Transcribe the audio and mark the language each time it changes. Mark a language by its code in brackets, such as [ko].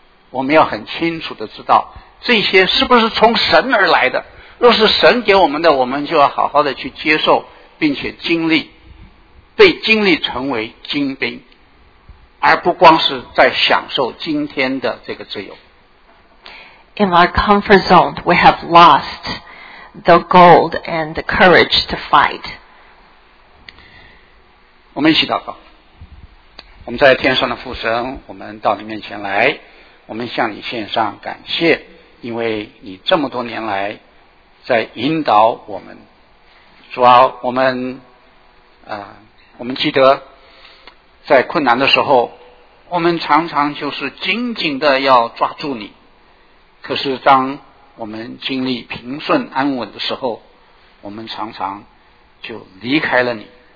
[zh] 我们要很清楚的知道这些是不是从神而来的，若是神给我们的，我们就要好好的去接受并且经历，被经历成为精兵，而不光是在享受今天的这个自由。 [en] In our comfort zone, we have lost the gold and the courage to fight. [zh] 我们一起祷告。我们在天上的父神，我们到你面前来，我们向你献上感谢，因为你这么多年来在引导我们。主啊，我们记得在困难的时候，我们常常就是紧紧的要抓住你，可是当我们经历平顺安稳的时候，我们常常就离开了你。